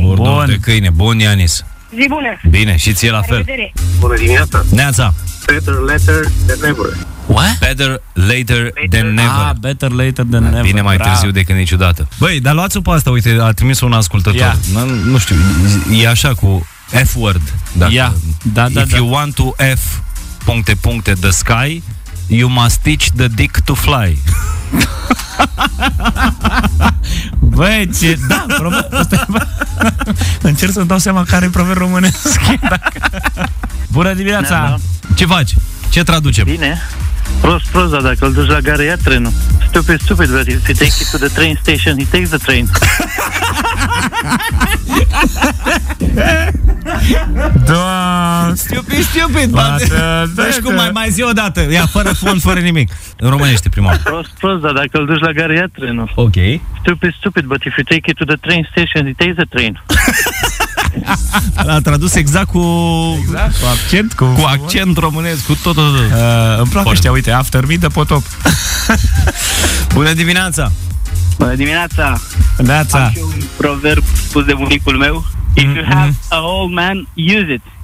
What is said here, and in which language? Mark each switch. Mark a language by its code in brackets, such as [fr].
[ro] Burduf de câine, bun, Yanis. Zi bună. Bine, și ție la fel. Bună dimineața. Neața. [en] Better later than never. What? Better later than never. Ah, better later than never. [ro] Bine mai târziu decât niciodată. Băi, dar luați-o pe asta, uite, a trimis-o un ascultător. [en] Yeah. [ro] Nu știu, e așa cu F-word. Dacă, [en] yeah. [ro] Da, da, [en] if [ro] da. [en] You want to F puncte puncte the sky, you must teach the dick to fly. [ro] Băi, ce... Da, încerc să-mi dau seama care e proverb românesc. Bună dimineața! Ce faci? Ce traducem? Bine. Prost, dar dacă îl duci la gara, ia trenul. [en] Stupid, but if you take it to the train station, he takes the train. Stupid, [ro] dă-și cum mai zi o dată. Ia, fără fond, fără nimic. În românește, prima. Prost, dar dacă îl duci la gara, ia trenul. Ok. [en] Stupid, but if you take it to the train station, he takes the train. [ro] L-a tradus exact cu... Exact, cu accent. Cu accent românesc, cu tot. Îmi plac ăștia, uite, [en] after me the [ro] potop. Bună dimineața! Bună dimineața! Neața! Am și un proverb spus de bunicul meu. [en] If you have a old man, use it.